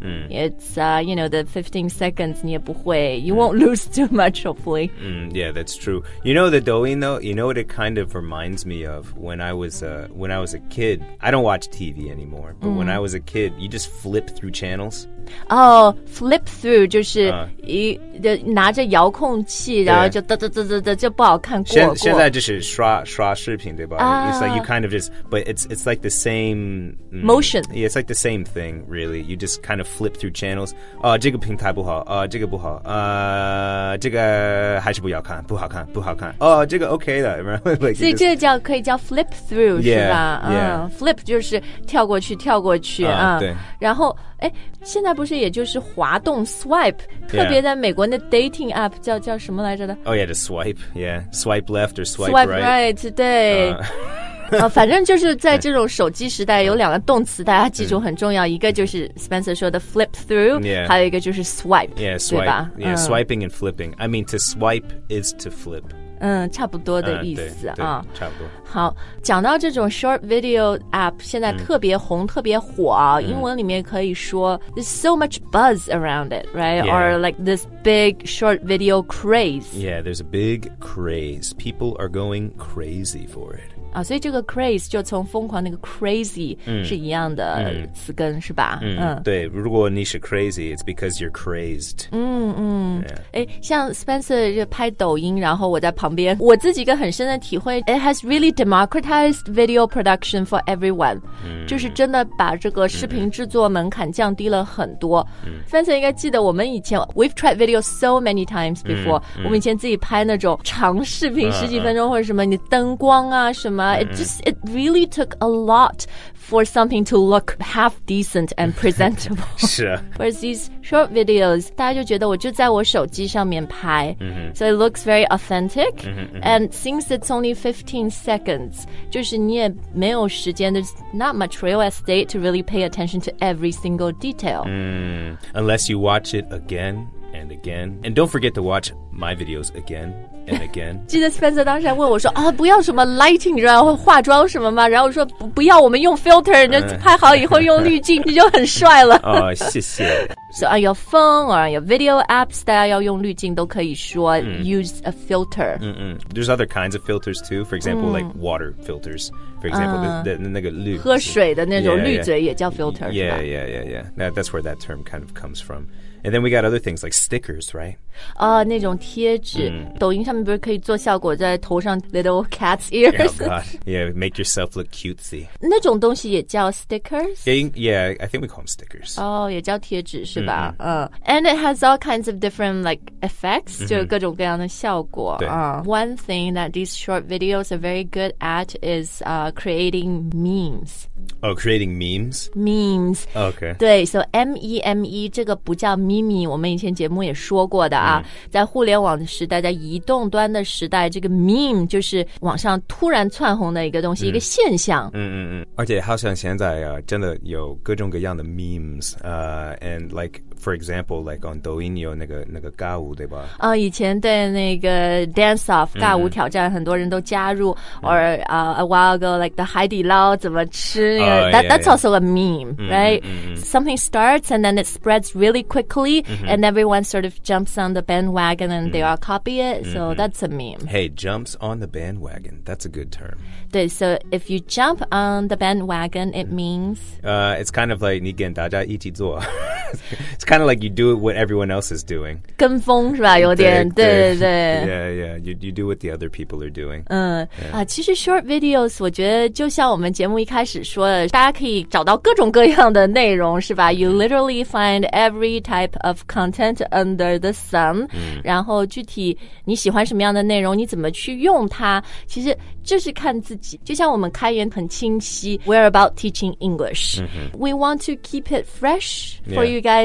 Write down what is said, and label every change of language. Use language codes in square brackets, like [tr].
[en] 嗯、 it's you know the 15 seconds [zh] 你也不会、 [en] 嗯、you won't lose too much hopefully、嗯、yeah that's true you know the Douyin though you know what it kind of reminds me of when I was a kid I don't watch TV anymore but、嗯、when I was a kid you just flip through channels oh flip through [zh] 就是拿着遥控器然后就哒哒哒哒哒就不好看过现在就是刷视频对吧、 [en] it's like you kind of just but it's like the same motion yeah it's like the same thing really you just kind of flip through channels [zh] 哦、这个平台不好、这个不好、这个还是不要看不好看不好看哦、这个 OK 的、 [en] like、 [zh] 所以这个叫可以叫 flip through [en] yeah, [zh] 是吧、 [en] yeah. [zh] flip 就是跳过去跳过去、对然后哎，现在不是也就是滑动 swipe、 [en] yeah. [zh] 特别在美国那 dating app 叫什么来着的 [en] Oh yeah, the swipe Yeah, swipe left or swipe, swipe right Swipe right, [zh] 对、反正就是在这种手机时代有两个动词大家记住很重要一个就是 Spencer 说的 flip through、 [en] yeah. [zh] 还有一个就是 swipe [en] Yeah, swipe [zh] 对吧 [en] Yeah, swiping and flipping I mean, to swipe is to flip [zh] 嗯，差不多的意思啊，差不多。好，讲到这种 short video app， 现在特别红，特别火啊。英文里面可以说 [en] there's so much buzz around it, right?、 Yeah. Or like this big short video craze. Yeah, there's a big craze. People are going crazy for it. [zh] 啊，所以这个 craze 就从疯狂那个 crazy、是一样的词根，是吧？对，如果你是 [en] crazy， it's because you're crazed. [zh] 哎，像 Spencer 就拍抖音，然后我在旁边，我自己一个很深的体会 ， [en] It has really democratized video production for everyone，、 [zh] 就是真的把这个视频制作门槛降低了很多。 [en] Spencer [zh] 应该记得我们以前 [en] ，We've tried video so many times before、 [zh] 我们以前自己拍那种长视频，十几分钟或者什么，你灯光啊什么、， [en] It really took a lot for something to look half decent and presentable. [zh] 是啊。 [en] Whereas these short videos, [zh] 大家就觉得我就在我手机上面拍、 [en] so it looks very authentic and since it's only 15 seconds [zh] 就是你也没有时间 [en] there's not much real estate to really pay attention to every single detail、 unless you watch it again and again and don't forget to watch my videos again and again [zh] 记得 Spencer 当时还问我说啊，不要什么 lighting 你知道化妆什么吗然后我说 不要我们用 filter 你就拍好以后用滤镜你就很帅了哦，谢谢 [en] So on your phone or on your video apps, [zh] 大家要用滤镜都可以说 [en] use a filter. There's other kinds of filters too. For example,、like water filters. For example,、 [zh] 那个滤喝水的那种滤嘴也叫 filter. [en] Yeah. That's where that term kind of comes from. And then we got other things like stickers, right? [zh] 啊、那种贴纸、抖音上面不是可以做效果在头上 [en] little cat's ears? Oh god, yeah, make yourself look cutesy. [zh] 那种东西也叫 stickers? [en] Yeah, I think we call them stickers. [zh] 哦、也叫贴纸是吧、 [en] And it has all kinds of different like effects,、 [zh] 就是各种各样的效果。 [en] One thing that these short videos are very good at is、creating memes. Oh, creating memes? Memes. Okay. [zh] 对 so M-E-M-E, 这个不叫 meme, 我们以前节目也说过的啊。在互联网的时代在移动端的时代这个 meme 就是网上突然窜红的一个东西一个现象。而且好像现在、真的有各种各样的 memes, [en] and like,For example, like on Douyin, [zh] 有那个尬舞对吧？啊、以前对那个 [en] dance off [zh] 尬舞挑战，很多人都加入。 [en] Or a while ago, like the [zh] 海底捞怎么吃 [en] That's also a meme, right? Something starts and then it spreads really quickly, and everyone sort of jumps on the bandwagon and they all copy it. So that's a meme. Hey, jumps on the bandwagon. That's a good term. 对 so if you jump on the bandwagon, it means it's kind of like [zh] 你跟大家一起做。 [en] It's kind of like you do what everyone else is doing. [zh] 跟风是吧有点对对 对, 对。 [en] Yeah. You do what the other people are doing. [zh] 其实 short videos, 我觉得就像我们节目一开始说的大家可以找到各种各样的内容是吧 [en] You literally find every type of content under the sun.、 [zh] 然后具体你喜欢什么样的内容你怎么去用它其实就是看自己就像我们开源很清晰 [en] We're about teaching English.、 We want to keep it fresh for、you guys.